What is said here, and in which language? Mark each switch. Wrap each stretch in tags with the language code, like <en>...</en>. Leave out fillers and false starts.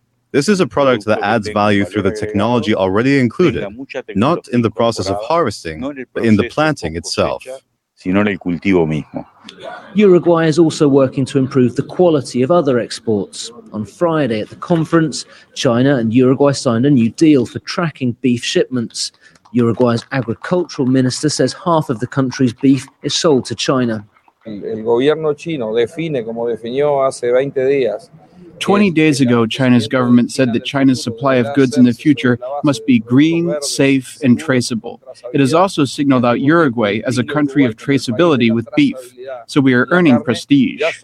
<en>This is a product that adds value through the technology already included, not in the process of harvesting, but in the planting itself. Uruguay is also working to improve the quality of other exports. On Friday at the conference, China and Uruguay signed a new deal for tracking beef shipments. Uruguay's agricultural minister says half of the country's beef is sold to China.</en> <es>El gobierno chino define como definió hace 20 días.</es> <en>20 days ago, China's government said that China's supply of goods in the future must be green, safe, and traceable. It has also signaled out Uruguay as a country of traceability with beef, so we are earning prestige.</en>